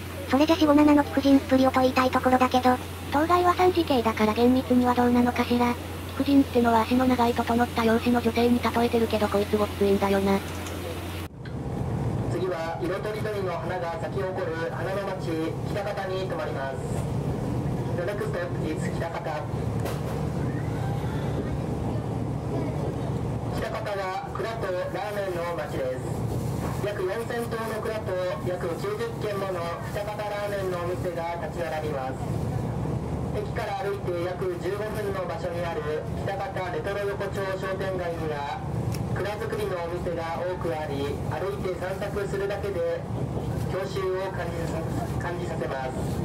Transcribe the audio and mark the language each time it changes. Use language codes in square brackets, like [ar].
[ja] それじゃ四五七の貴婦人っぷりをと言いたいところだけど、当該は三次系だから厳密にはどうなのかしら。貴婦人ってのは足の長い整った容姿の女性に例えてるけど、こいつごっついんだよな。次は色とりどりの花が咲き誇る花の町北方に停まります。 [en] The next stop is 北方。 [ja] 北方は蔵とラーメンの町です。約4000棟の蔵と約90軒もの北方ラーメンのお店が立ち並びます。駅から歩いて約15分の場所にある北方レトロ横丁商店街には蔵造りのお店が多くあり、歩いて散策するだけで郷愁を感じさせます。